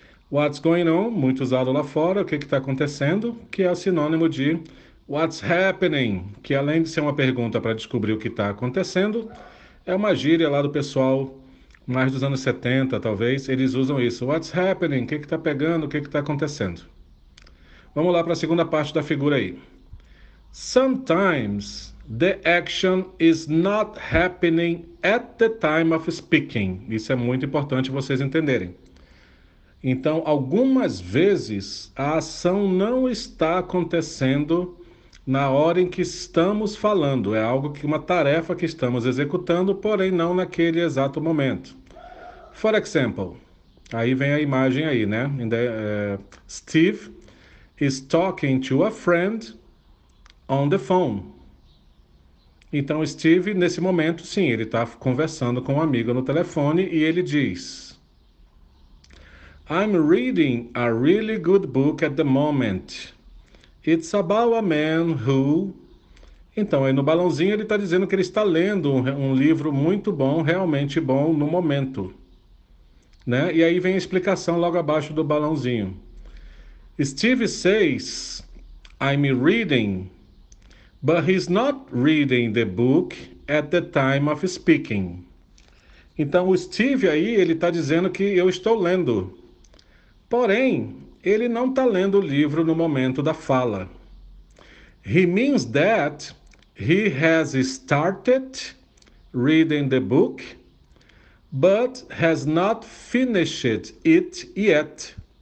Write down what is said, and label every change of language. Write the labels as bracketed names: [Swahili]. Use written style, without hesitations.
[English] What's going on, [Portuguese] muito usado lá fora, o que está acontecendo, que é sinônimo de [English] what's happening, [Portuguese] que além de ser uma pergunta para descobrir o que está acontecendo, é uma gíria lá do pessoal mais dos anos 70, talvez, eles usam isso. [English] What's happening, [Portuguese] o que está pegando, o que está acontecendo? Vamos lá para a segunda parte da figura aí. [English] Sometimes the action is not happening at the time of speaking. [Portuguese] Isso é muito importante vocês entenderem. Então, algumas vezes a ação não está acontecendo na hora em que estamos falando. É algo que uma tarefa que estamos executando, porém não naquele exato momento. [English] For example, [Portuguese] aí vem a imagem aí, né? [English] Steve is talking to a friend on the phone. [Portuguese] Então, Steve, nesse momento, sim, ele está conversando com um amigo no telefone e ele diz: [English] I'm reading a really good book at the moment. It's about a man who. [Portuguese] Então, aí no balãozinho, ele está dizendo que ele está lendo um livro muito bom, realmente bom, no momento. Né? E aí vem a explicação logo abaixo do balãozinho. [English] Steve says, I'm reading. But he's not reading the book at the time of speaking. [Portuguese] Então, o Steve aí, ele está dizendo que eu estou lendo. Porém, ele não está lendo o livro no momento da fala. [English] He means that he has started reading the book, but has not finished it yet.